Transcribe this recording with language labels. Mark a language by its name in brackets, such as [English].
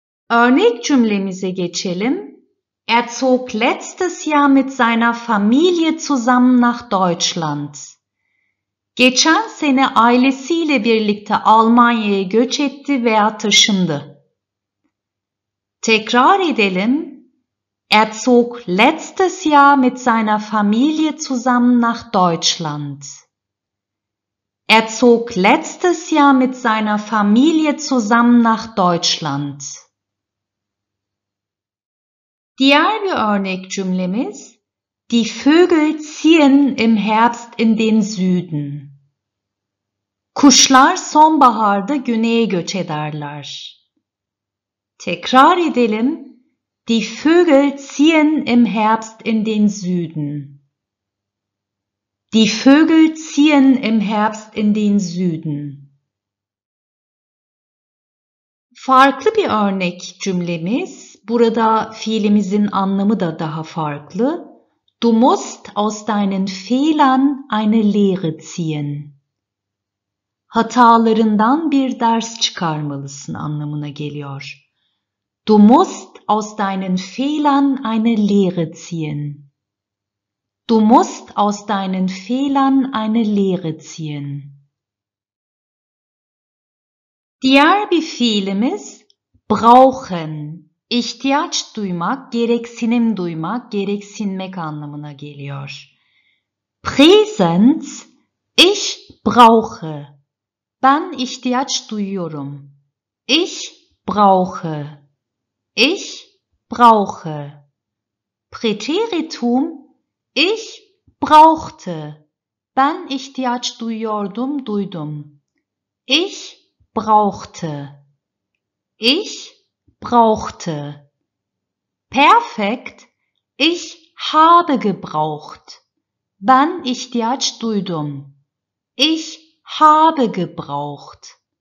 [Turkish] Örnek cümlemize geçelim. [German] Er zog letztes Jahr mit seiner Familie zusammen nach Deutschland. [Turkish] Geçen sene ailesiyle birlikte Almanya'ya göç etti veya taşındı. Tekrar edelim. [German] Er zog letztes Jahr mit seiner Familie zusammen nach Deutschland. Er zog letztes Jahr mit seiner Familie zusammen nach Deutschland. [Turkish] Diğer bir örnek cümlemiz, [German] die Vögel ziehen im Herbst in den Süden. [Turkish] Kuşlar sonbaharda güneye göç ederler. Tekrar edelim, [German] die Vögel ziehen im Herbst in den Süden. Die Vögel ziehen im Herbst in den Süden. [Turkish] Farklı bir örnek cümlemiz, burada fiilimizin anlamı da daha farklı. [German] Du musst aus deinen Fehlern eine Lehre ziehen. [Turkish] Hatalarından bir ders çıkarmalısın anlamına geliyor. [German] Du musst aus deinen Fehlern eine Lehre ziehen. Du musst aus deinen Fehlern eine Lehre ziehen. [Turkish] Diğer bir fiilimiz brauchen. İhtiyaç duymak, gereksinim duymak, gereksinmek anlamına geliyor. [German] Präsens, ich brauche. [Turkish] Ben ihtiyaç duyuyorum. [German] Ich brauche. Ich brauche. Präteritum, ich brauchte. [Turkish] Ben ihtiyaç duyuyordum, duydum. [German] Ich brauchte. Ich brauchte. Perfekt. Ich habe gebraucht. [Turkish] Wann ihtiyaç duydum? [German] Ich habe gebraucht.